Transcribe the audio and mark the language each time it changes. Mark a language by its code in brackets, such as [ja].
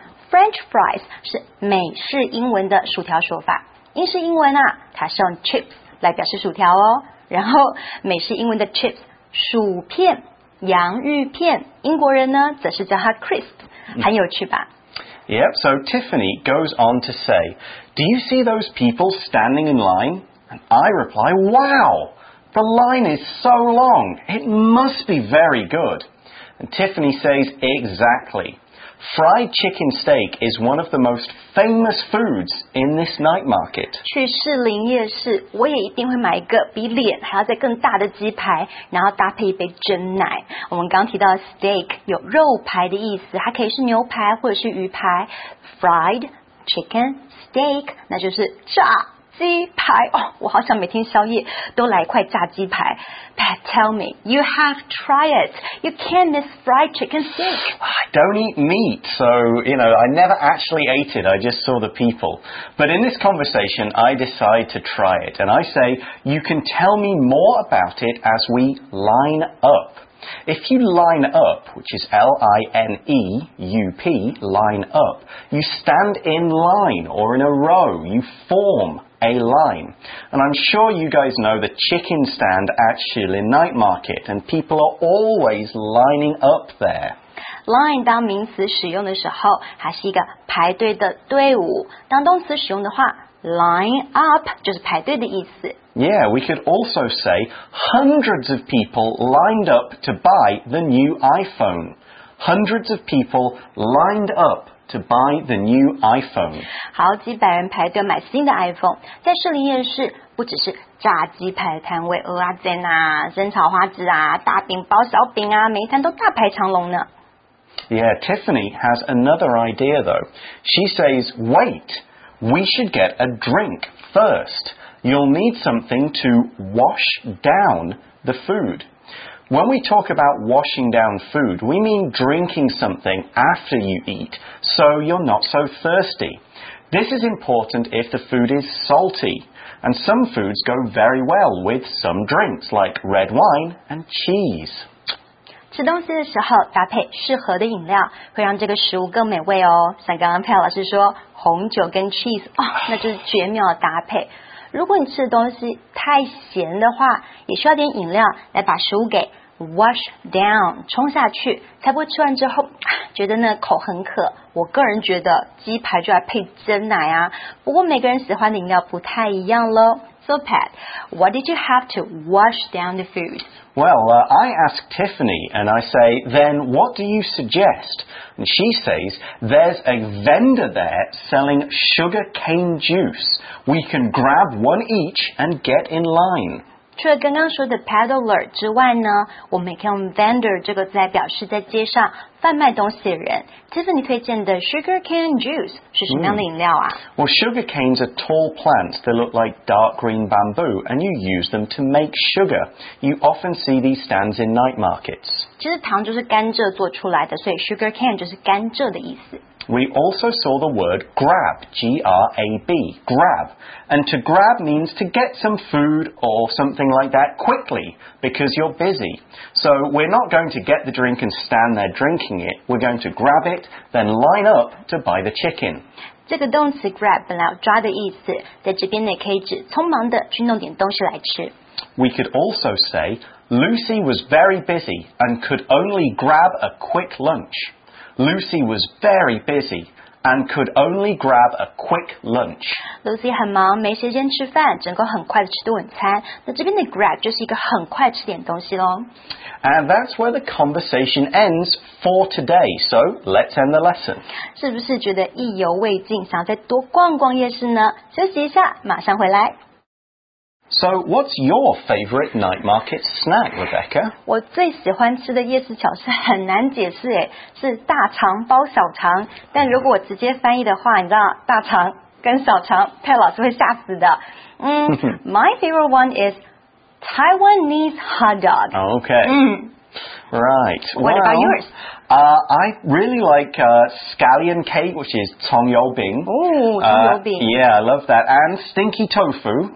[zh] French fries 是美式英文的薯条说法，英式英文啊，它是用 chips 来表示薯条哦。然后美式英文的 chips 薯片洋芋片，英国人呢则是叫它 crisp， 很有趣吧？ [en] Yep, so Tiffany goes on to say, Do you see those people standing in line? And I reply, Wow, the line is so long. It must be very good. And Tiffany says, Exactly. Fried chicken steak is one of the most famous foods in this night market. [zh] 去士林夜市，我也一定会买一个比脸还要再更大的鸡排，然后搭配一杯真奶。我们刚提到 steak 有肉排的意思，它可以是牛排或者是鱼排。 Fried chicken steak 那就是炸鸡排哦，我好想每天宵夜都来一块炸鸡排。 [en] Pat, tell me, you have tried it. You can't miss fried chicken steak. I don't eat meat, so, you know, I never actually ate it. I just saw the people. But in this conversation, I decide to try it. And I say, you can tell me more about it as we line up. If you line up, which is L-I-N-E-U-P, line up, you stand in line or in a row. You form a line. And I'm sure you guys know the chicken stand at Shilin Night Market, and people are always lining up there. [zh] Line 当名词使用的时候，它是一个排队的队伍。当动词使用的话， line up 就是排队的意思。 [en] Yeah, we could also say hundreds of people lined up to buy the new iPhone. Hundreds of people lined up to buy the new iPhone. [zh] 好几百人排队买新的 iPhone. 在士林夜市，不只是炸鸡排的摊位，蚵仔煎啊，生炒花枝啊，大饼包小饼啊，每一摊都大排长龙呢。 [en] Yeah, Tiffany has another idea though. She says, wait, we should get a drink first. You'll need something to wash down the food. When we talk about washing down food, we mean drinking something after you eat so you're not so thirsty. This is important if the food is salty, and some foods go very well with some drinks like red wine and cheese. [zh] 吃东西的时候搭配适合的饮料会让这个食物更美味哦。像刚刚佩老师说红酒跟 cheese 哦，那就是绝妙的搭配。如果你吃的东西太咸的话，也需要点饮料来把食物给 wash down 冲下去，才不会吃完之后觉得那口很渴。我个人觉得鸡排就要配真奶啊，不过每个人喜欢的饮料不太一样咯。 [en] So Pat, what did you have to wash down the food? Well, I ask Tiffany and I say, then what do you suggest? And she says, there's a vendor there selling sugar cane juice. We can grab one each and get in line. [zh] 除了刚刚说的 peddler 之外呢，我们也可以用 vendor 这个字来表示在街上贩卖东西的人。 Tiffany 推荐的 sugar cane juice 是什么样的饮料啊？ [en] Well, sugar canes are tall plants. They look like dark green bamboo, and you use them to make sugar. You often see these stands in night markets. [zh] 其实糖就是甘蔗做出来的，所以 sugar cane 就是甘蔗的意思。 [en] We also saw the word grab, G-R-A-B, grab. And to grab means to get some food or something like that quickly, because you're busy. So we're not going to get the drink and stand there drinking it. We're going to grab it, then line up to buy the chicken. [zh] 这个动词 grab 本来有抓的意思，在这边也可以指匆忙的去弄点东西来吃。 [en] We could also say, Lucy was very busy and could only grab a quick lunch. Lucy was very busy and could only grab a quick lunch. [zh] Lucy 很忙，没时间吃饭，只能够很快的吃顿晚餐。那这边的 grab 就是一个很快吃点东西咯。 [en] And that's where the conversation ends for today. So let's end the lesson. [zh] 是不是觉得意犹未尽，想再多逛逛夜市呢？休息一下，马上回来。 [en] So, what's your favorite night market snack, Rebecca? [zh] 我最喜欢吃的夜市小吃很难解释耶，是大肠包小肠。但如果我直接翻译的话，你知道大肠跟小肠，佩老师会吓死的。 [en] my favorite one is Taiwanese hot dog. Okay. Right. What about yours? I really like scallion cake, which is 葱油饼. [zh] Ooh, 葱油饼. [en] Yeah, I love that. And stinky tofu,